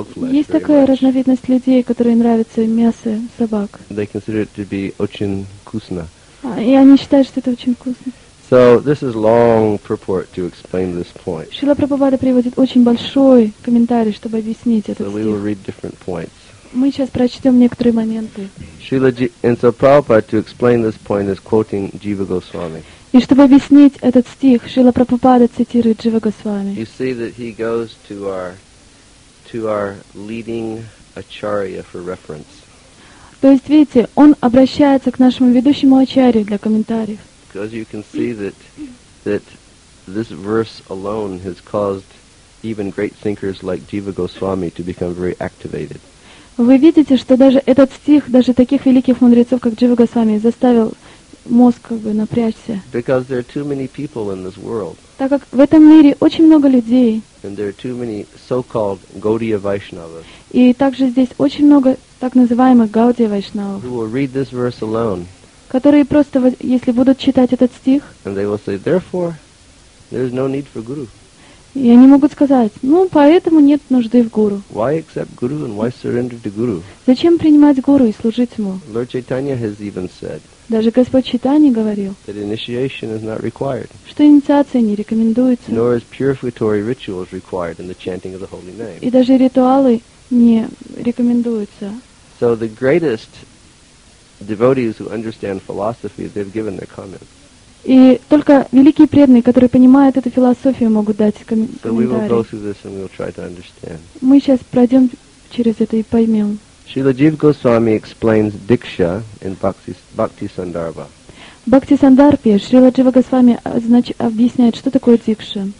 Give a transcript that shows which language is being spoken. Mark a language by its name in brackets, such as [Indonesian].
[Russian] Есть такая разновидность людей, которые нравятся мясо собак. [English] They consider it to be [Russian] очень вкусно. И они считают, что это очень вкусно. [English] So this is long purport to explain this point. [Russian] Шрила Прабхупада приводит очень большой комментарий, чтобы объяснить этот стих. [English] We will read different points. [Russian] Мы сейчас прочтем некоторые моменты. [English] And so Prabhupada, to explain this point, is quoting Jiva Goswami. [Russian] И чтобы объяснить этот стих, Шрила Прабхупада цитирует Джива Госвами. [English] You see that he goes to our leading acharya for reference. [Russian] То есть видите, он обращается к нашему ведущему ачарье для комментариев. [English] Because you can see that this verse alone has caused even great thinkers like Jiva Goswami to become very activated. [Russian] Вы видите, что даже этот стих, даже таких великих мудрецов, как Джива Госвами, заставил мозг как бы напрячься. [English] Because there are too many people in this world. [Russian] Так как в этом мире очень много людей. [English] And there are too many so-called Gaudiya Vaishnavas. [Russian] И также здесь очень много так называемых Гаудия Вайшнавов. [English] Who will read this verse alone. [Russian] Которые просто, если будут читать этот стих. [English] And they will say, therefore, there is no need for guru. [Russian] И они могут сказать, ну, поэтому нет нужды в гуру. [English] Why accept guru and why surrender to guru? [Russian] Зачем принимать гуру и служить ему? [English] Lord Chaitanya has even said, [Russian] даже Господь Чайтанья говорил, [English] that initiation is not required, [Russian] что инициация не рекомендуется. [English] Nor is purificatory rituals required in the chanting of the holy name. [Russian] И даже ритуалы не рекомендуются. [English] So the greatest devotees who understand philosophy, they've given their comments. [Russian] И только великие преданные, которые понимают эту философию, могут дать комментарии. Мы сейчас пройдем через это и поймем. [English] Шрила Джива Госвами explains Diksha in Bhakti Sandarbha. [Russian] Бхакти Сандарбе Шрила Джива Госвами объясняет, что такое Дикша.